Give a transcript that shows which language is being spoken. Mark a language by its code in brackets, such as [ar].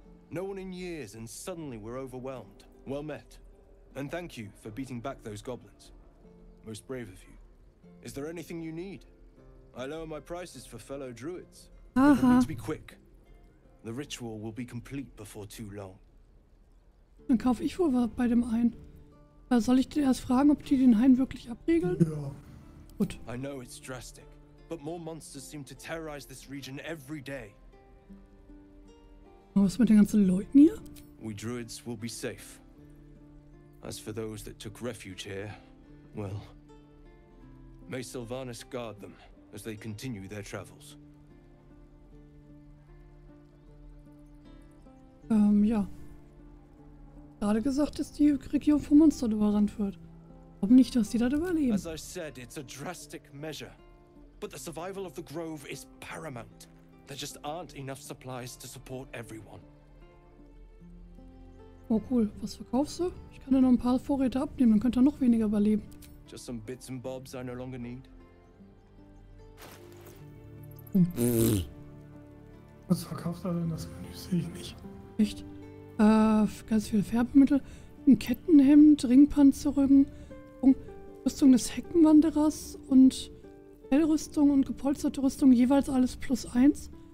[en] No one in years, and suddenly we're overwhelmed. Well met. And thank you for beating back those goblins. Most brave of you. Is there anything you need? I lower my prices for fellow druids. Aha. We need to be quick. The ritual will be complete before too long. [de] Dann kaufe ich wohl bei dem Hain. Soll ich dir erst fragen, ob die den Hain wirklich abriegeln? Ja. Gut. [en] I know it's drastic, but more monsters seem to terrorize this region every day. [de] Was mit den ganzen Leuten hier? [en] We druids will be safe. As for those that took refuge here, well, may Sylvanas guard them as they continue their travels. [de] Ja. Gerade gesagt, dass die Region vom Monster überrannt wird. Glaub nicht, dass sie da überleben. [en] As I said, it's a drastic measure. But the survival of the Grove is paramount. There just aren't enough supplies to support everyone. [de] Oh cool, was verkaufst du? Ich kann dir noch ein paar Vorräte abnehmen, dann könnt ihr noch weniger überleben. [en] Just some bits and bobs I no longer need. [de] Was verkaufst du denn? Das sehe ich nicht. Echt? Ganz viele Färbemittel, ein Kettenhemd, Ringpanzerrücken, Rüstung des Heckenwanderers und Fellrüstung und gepolsterte Rüstung, jeweils alles plus eins.